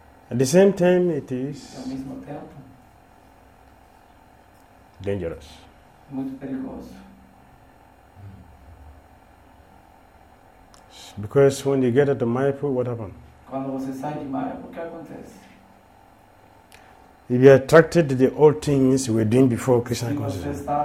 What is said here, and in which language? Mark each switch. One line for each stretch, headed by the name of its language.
English: At the same time, it is dangerous.
Portuguese: Muito perigoso.
English: Because when you get at the Mayapur, what happens?
Portuguese: Quando você sai de Mayapur, o que acontece?
English: If you are attracted to the old things we were doing before Krishna consciousness.